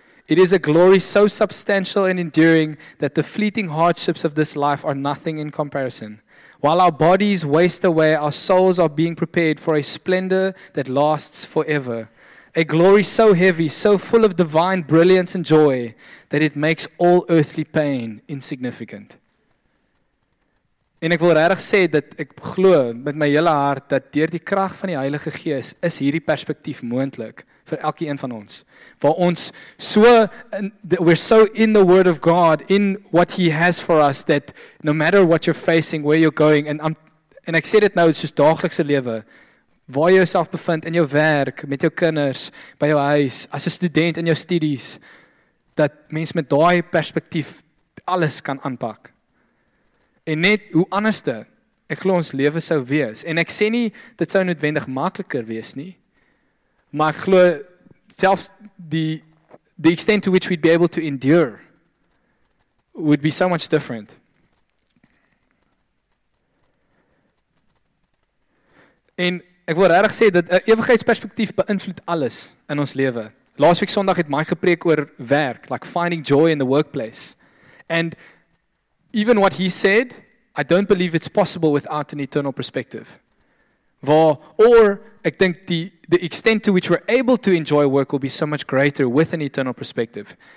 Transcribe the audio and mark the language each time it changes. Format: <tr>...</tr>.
<en>It is a glory so substantial and enduring that the fleeting hardships of this life are nothing in comparison. While our bodies waste away, our souls are being prepared for a splendor that lasts forever. A glory so heavy, so full of divine brilliance and joy, that it makes all earthly pain insignificant.</en> <af>En ek wil regtig sê dat ek glo met my hele hart dat deur die krag van die Heilige Gees is hierdie perspektief moontlik vir elkeen van ons. Waar ons so,</af> <en>we're so in the Word of God, in what He has for us, that no matter what you're facing, where you're going,</en> <af>en ek sê dit nou soos daaglikse lewe, waar jy jouself bevind in jou werk, met jou kinders, by jou huis, as 'n student in jou studies, dat mens met daai perspektief alles kan aanpak. En net hoe anderste ek glo ons lewe sou wees. En ek sê nie, dit sou noodwendig makliker wees nie, maar ek glo selfs</af> <en>the extent to which we'd be able to endure would be so much different.</en> <af>En ek wil regtig sê dat 'n ewigheidsperspektief beïnvloed alles in ons lewe. Laasweek Sondag het Mike gepreek oor werk,</af> <en>like finding joy in the workplace. And even what he said, I don't believe it's possible without an eternal perspective. Or</en> <af>ek dink</af> <en>the extent to which we're able to enjoy work will be so much greater with an eternal perspective.</en>